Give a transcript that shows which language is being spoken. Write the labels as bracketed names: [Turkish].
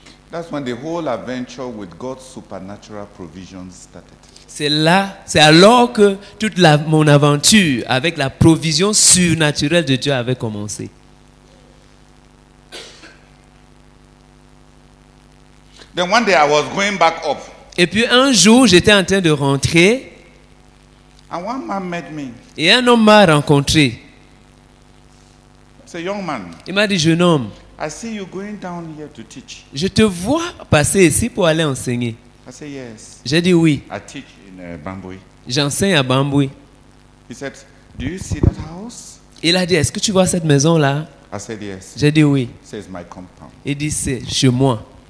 [English] That's when the whole adventure with God's supernatural provisions started. [French] C'est alors que toute mon aventure avec la provision surnaturelle de Dieu avait commencé. [English] Then one day I was going back up. [French] Et puis un jour, j'étais en train de rentrer. [English] And one man met me. [French] Et un homme m'a rencontré. [English] It's a young man. [French] Il m'a dit, jeune homme. [English] I see you going down here to teach. [French] Je te vois passer ici pour aller enseigner. [English] I say yes. [French] J'ai dit oui. [English] I teach in Bamboui. [French] J'enseigne à Bamboui. [English] He said, do you see that house? [French] Il a dit, est-ce que tu vois cette maison là? [English] I said yes. [French] J'ai dit oui. [English] He says, my compound. [French] Il dit, c'est chez moi.